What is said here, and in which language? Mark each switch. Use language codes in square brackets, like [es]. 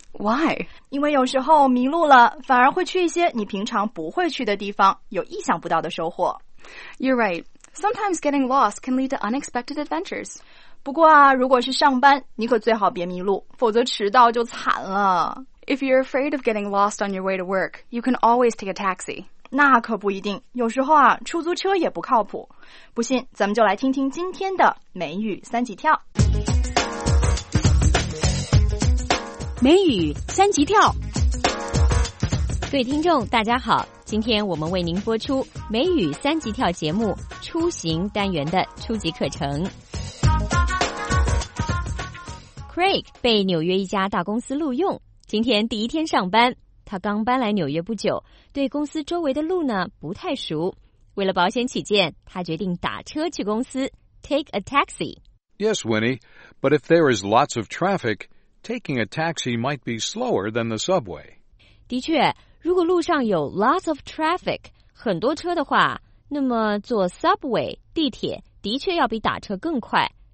[en] Why? [zh] 因为有时候迷路了，反而会去一些你平常不会去的地方，有意想不到的收获。 [en] You're right. Sometimes getting lost can lead to unexpected adventures. [zh] 不过啊，如果是上班，你可最好别迷路，否则迟到就惨了。 [en] If you're afraid of getting lost on your way to work, you can always take a taxi. [zh] 那可不一定，有时候啊，出租车也不靠谱。不信，咱们就来听听今天的美语三级跳。美语三级跳。各位听众，大家好，今天我们为您播出美语三级跳节目出行单元的初级课程。 Craig 被纽约一家大公司录用，今天第一天上班。他刚搬来纽约不久，对公司周围的路呢不太熟。为了保险起见，他决定打车去公司 , [en] take a taxi. Yes, Winnie, but if there is lots of traffic, taking a taxi might be slower than the subway. [zh] 的确，如果路上有 [en] lots of traffic, [zh] 很多车的话，那么坐 subway, 地铁的确要比打车更快。